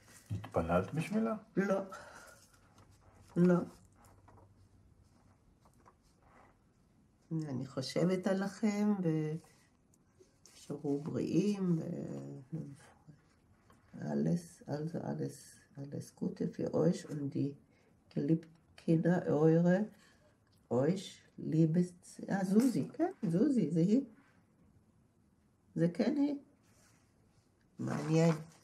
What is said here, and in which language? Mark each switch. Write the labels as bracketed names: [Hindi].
[Hebrew] התפללת בשבילה? לא. לא. אני חושבת עליכם ושרו בריאים ו... [German] alles, also alles, alles Gute für euch und die geliebten Kinder, eure, euch, liebes... [Hebrew] Ah, Susi, כן, Susi, זה היא. זה כן היא. מעניין.